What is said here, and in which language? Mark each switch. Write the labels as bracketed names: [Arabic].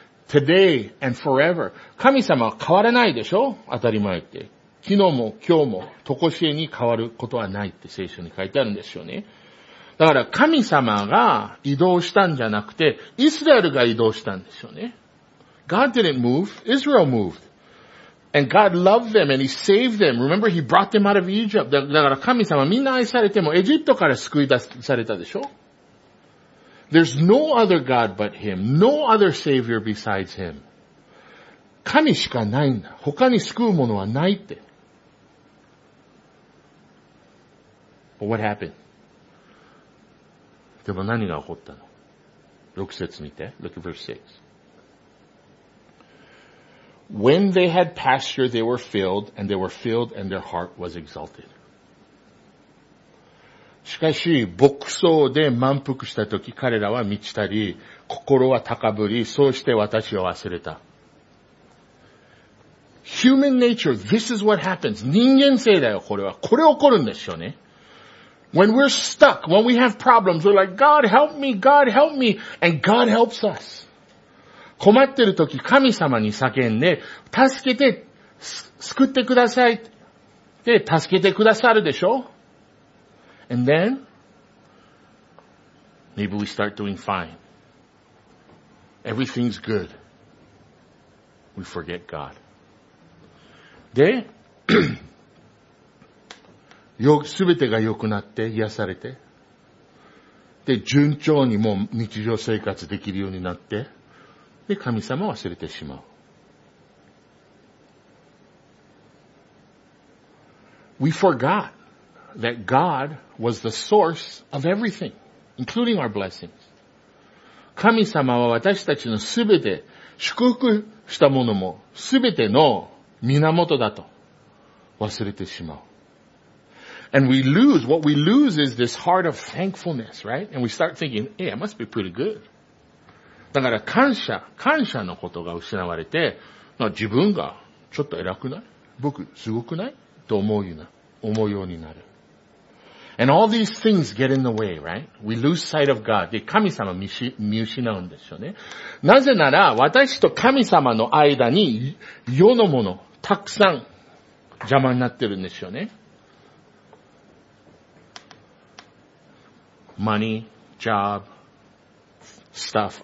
[English] Today and forever. [Japanese] 神様は変わらないでしょ?当たり前って。昨日も今日も、とこしえに変わることはないって聖書に書いてあるんですよね。だから神様が移動したんじゃなくて、イスラエルが移動したんですよね。 [English] God didn't move, Israel moved. And God loved them and He saved them. Remember, He brought them out of Egypt. [Japanese] だから神様みんな愛されてもエジプトから救い出されたでしょ? [English] There's no other God but Him. No other Savior besides Him. [Japanese] 神しかないんだ。他に救うものはないって。 [English] But what happened? [Japanese] でも何が起こったの ?6 節見て。 [English] Look at verse 6. When they had pasture, they were filled, and they were filled, and their heart was exalted. [Japanese] しかし、牧草で満腹したとき、彼らは満ちたり、心は高ぶり、そうして私を忘れた。 [English] Human nature, this is what happens. [Japanese] 人間性だよ、これは。これ起こるんですよね。 [English] When we're stuck, when we have problems, we're like, God help me, God help me, and God helps us. [Japanese] 困ってるとき、神様に叫んで、助けて、救ってください。で、助けてくださるでしょ? [English] And then, maybe we start doing fine. Everything's good. We forget God. [Japanese] で、よ、すべてが良くなって、癒されて、で、順調にもう日常生活できるようになって、で、神様を忘れてしまう。 [English] We forgot. That God was the source of everything, including our blessings. [Japanese] 神様は私たちのすべて、祝福したものもすべての源だと忘れてしまう。 [English] And we lose, what we lose is this heart of thankfulness, right? And we start thinking, hey, I must be pretty good. [Japanese] だから感謝、感謝のことが失われて、まあ、自分がちょっと偉くない? 僕すごくない?と思うようになる。 [English] And all these things get in the way, right? We lose sight of God. [Japanese] で、神様見失うんですよね。なぜなら、私と神様の間に世のもの、たくさん邪魔になってるんですよね。 [English] Money, job, stuff.